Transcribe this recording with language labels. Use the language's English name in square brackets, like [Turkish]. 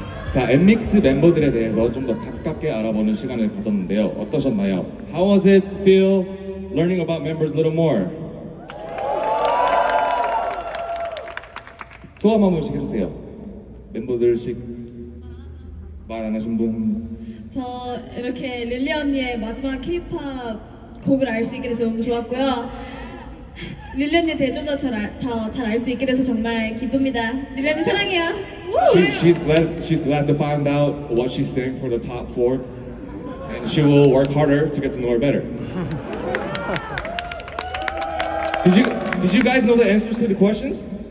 [Korean] 자, NIMXX 멤버들에 대해서 좀 더 가깝게 알아보는 시간을 가졌는데요. 어떠셨나요? [English] How was it feel learning about members a little more? [Korean] 소감 한 번씩 해주세요. 멤버들씩 말 안 하신 분. 저 이렇게 릴리 언니의 마지막 K-pop 곡을 알 수 있게 돼서 너무 좋았고요. 릴리 언니 대해 좀 더 잘 알 수 있게 돼서 정말 기쁩니다. 릴리 언니 사랑해요. [English] She's glad to find out what she sang for the top four, and she will work harder to get to know her better. Did you guys know the answers to the questions?